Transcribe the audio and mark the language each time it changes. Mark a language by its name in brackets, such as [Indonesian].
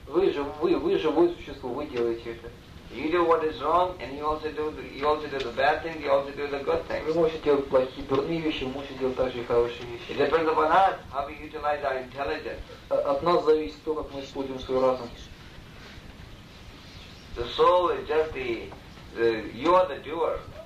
[Russian] Вы живое существо, вы делаете это. [English] You do what is wrong, and you also do the bad thing, you also do the good thing. [Russian] Вы можете делать плохие, дурные вещи, вы можете делать также и хорошие вещи. [English] It depends upon us how we utilize our intelligence. [Russian] От нас зависит то, как мы используем свой разум. [English] The soul is just the you are the doer.